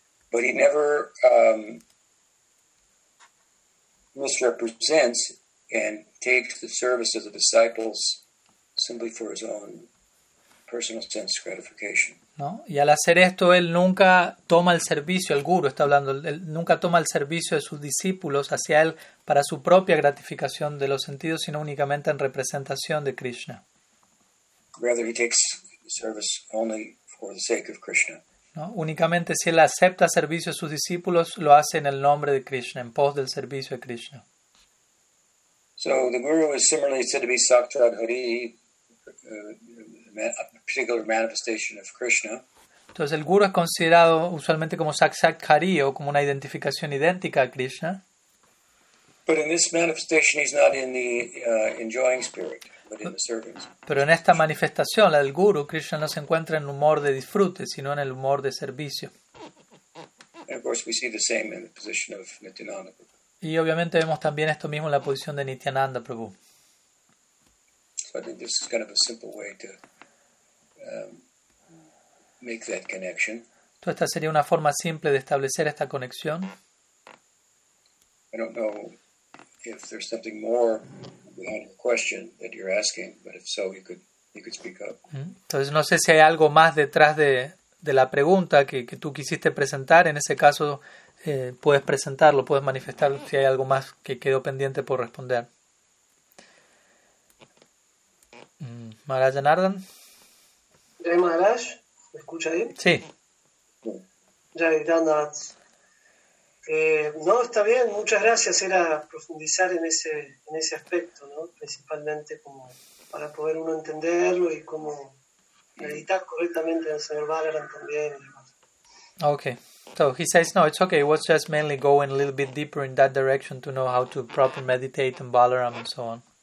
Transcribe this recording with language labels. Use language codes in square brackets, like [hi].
[en] But he never misrepresents and takes the services of the disciples simply for his own personal sense of gratification. [es] ¿No? Y al hacer esto, él nunca toma el servicio, el guru está hablando, él nunca toma el servicio de sus discípulos hacia él para su propia gratificación de los sentidos, sino únicamente en representación de Krishna. [en] Rather, he takes service only for the sake of Krishna. [es] ¿No? Únicamente si él acepta servicio de sus discípulos, lo hace en el nombre de Krishna, en pos del servicio de Krishna. [en] So, the guru is similarly said to be Saktad Hari, a particular manifestation of Krishna. [es] Entonces el guru es considerado usualmente como Sakshatkari o como una identificación idéntica a Krishna. [en] But in this manifestation he's not in the enjoying spirit, but in the serving spirit. [es] Pero en esta manifestación, la del guru, Krishna no se encuentra en humor de disfrute, sino en el humor de servicio. [en] And of course we see the same in the position of Nityananda Prabhu. [es] Y obviamente vemos también esto mismo en la posición de Nityananda Prabhu. [en] So I think this is kind of a simple way to make that connection. [es] ¿Tú esta sería una forma simple de establecer esta conexión? [en] I don't know if there's something more behind your question that you're asking, but if so, you could you could speak up. [es] Entonces, no sé si hay algo más detrás de la pregunta que tú quisiste presentar. En ese caso, puedes presentarlo, puedes manifestarlo, si hay algo más que quedó pendiente por responder. Maharaj Janardhan. Jai Maharaj, ¿me escucha bien? Sí. Jai Janardhan. No, está bien, muchas gracias. Era profundizar en ese aspecto, ¿no? Principalmente como para poder uno entenderlo y cómo meditar correctamente en el Señor Balaram también. Ok. [en] So he says, no, it's okay. It was just mainly going a little bit deeper in that direction to know how to properly meditate in Balaram and so on.